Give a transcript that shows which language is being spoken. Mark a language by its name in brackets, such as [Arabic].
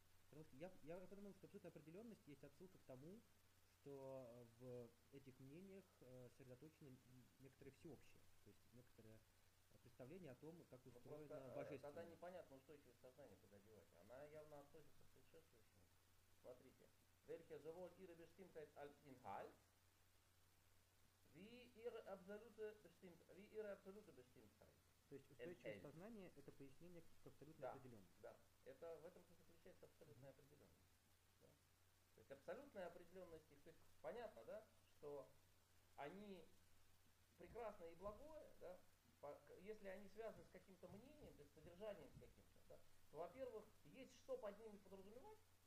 [Russian] Потому что я подумал, что абсолютная определенность есть отсылка к тому, что в этих мнениях сосредоточены некоторые всеобщие, то есть некоторые... представление о том, как устроено божественное. Тогда непонятно устойчивость сознания куда девать. Она явно относится к предшествующему. Смотрите. [German] Welche sowohl ihre Bestimmtheit als Inhalt, wie ihre absolute Bestimmtheit. [Russian] То есть устойчивость сознания – это пояснение к абсолютной определенности. Да, это в этом заключается абсолютная определенность. Да? То есть абсолютная определенность их, то есть понятно, да, что они прекрасное и благое, да, если они связаны с каким-то мнением, то есть содержанием каким-то, да, то, во-первых, есть что под ними подразумевать.